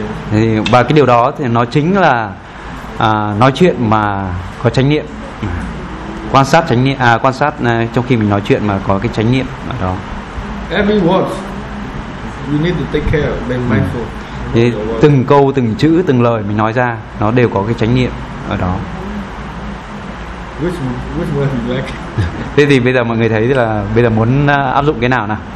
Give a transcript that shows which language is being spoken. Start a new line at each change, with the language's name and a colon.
Vietnamese: Thì, và cái điều đó thì nó chính là nói chuyện mà có chánh niệm. Quan sát chánh niệm, quan sát trong khi mình nói chuyện mà có cái chánh niệm ở đó.
English: Every word you need to take care, be mindful.
Vietnamese: Thì từng câu, từng chữ, từng lời mình nói ra nó đều có cái chánh niệm ở đó.
English: Which word you like?
Vietnamese: Thế thì bây giờ mọi người thấy là bây giờ muốn áp dụng cái nào?